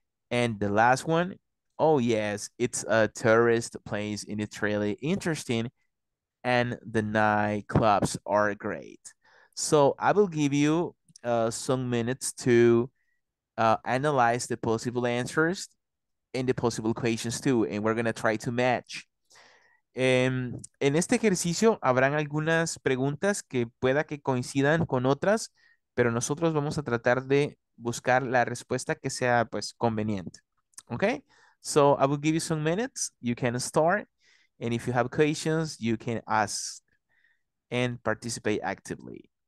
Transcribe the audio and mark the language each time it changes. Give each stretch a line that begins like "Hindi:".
English: And the last one, oh yes, it's a tourist place and it's really interesting. And the nightclubs are great. So I will give you some minutes to analyze the possible answers and the possible equations too. And we're going to try to match.
Spanish: En este ejercicio habrán algunas preguntas que pueda que coincidan con otras, pero nosotros vamos a tratar de buscar la respuesta que sea pues conveniente.
English: Okay? So I will give you some minutes. You can start. And if you have questions, you can ask and participate actively.